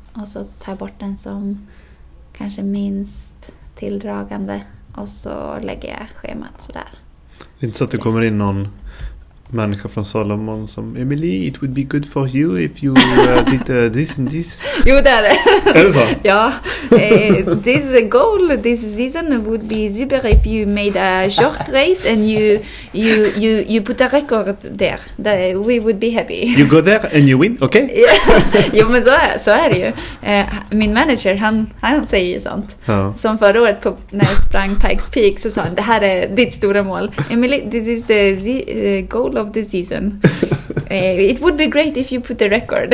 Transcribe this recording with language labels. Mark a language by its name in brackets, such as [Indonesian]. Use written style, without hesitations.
[Swedish] Och så tar jag bort den som kanske minst tilldragande och så lägger jag schemat sådär. Det är inte så att det kommer in någon människa från Salomon som, [English] Emily, it would be good for you if you did this and this. [Swedish] Jo, det är det. Är det så? Ja. [English] This goal this season would be super if you made a short race and you put a record there. That we would be happy. You go there and you win, okay? Yeah. [Swedish] Jo, men så är det ju. Min manager, han säger ju sånt. Ja. Som förra året när jag sprang Pikes Peak så sa han, det här är ditt stora mål. [English] Emily, this is the goal of the season. It would be great if you put the record.